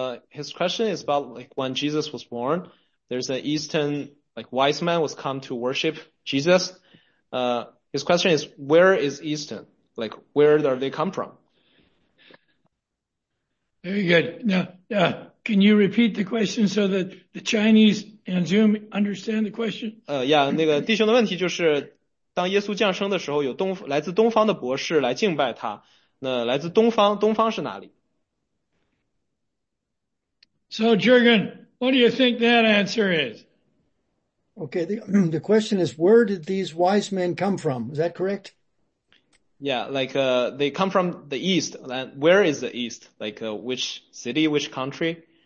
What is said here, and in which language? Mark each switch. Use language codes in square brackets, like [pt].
[en] His question is about like when Jesus was born. There's an Eastern like wise man was come to worship Jesus. His question is where is Eastern? Like where are they come from? Very good. Now, can you repeat the question so that the Chinese and Zoom understand the question? [zh] 那个弟兄的问题就是当耶稣降生的时候有来自东方的博士来敬拜他。那来自东方是哪里? [en] So, Jürgen, what do you think that answer is? Okay, the question is, where did these wise men come from? Is that correct? Yeah, like they come from the east. Where is the east? Like which city, which country?